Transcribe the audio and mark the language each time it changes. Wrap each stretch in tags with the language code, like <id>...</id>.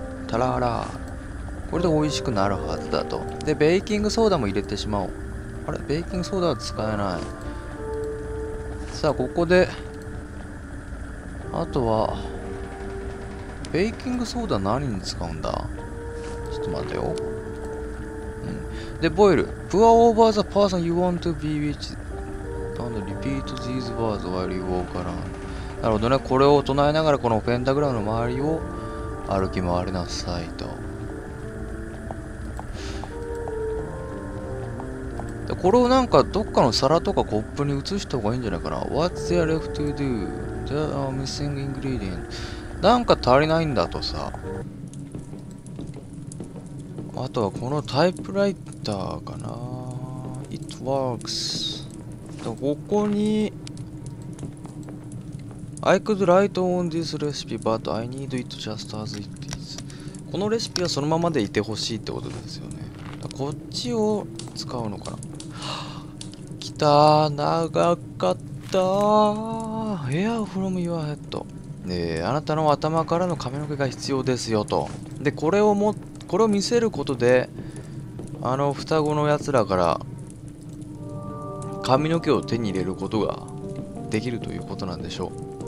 <ja>タララ、これで美味しくなるはずだと。でベイキングソーダも入れてしまおう。あれ、ベイキングソーダは使えない。さあここであとは、ベイキングソーダ何に使うんだ？ちょっと待てよ。うん。で、ボイル。</ja> <en>Pour over the person you want to be with and repeat these words while you walk around。</en> <ja>なるほどね。これを唱えながらこのペンタグラムの周りを歩き回りなさいと。で、これをなんかどっかの皿とかコップに移した方がいいんじゃないかな。</ja> <en>What's there left to do?</en> <ja>じゃあ、</ja> <en>missing ingredient。</en> <ja>なんか足りないんだとさ。あとはこのタイプライターかな。</ja> <en>It works。</en> <ja>ここに、</ja> <en>I could write on this recipe, but I need it just as it is。</en> <ja>このレシピはそのままでいてほしいってことですよね。こっちを使うのかな。きたー、長かったー。</ja> <en>Hair from your head。</en> <ja>あなたの頭からの髪の毛が必要ですよと。でこれをも、これを見せることで、あの双子のやつらから髪の毛を手に入れることができるということなんでしょう。</ja>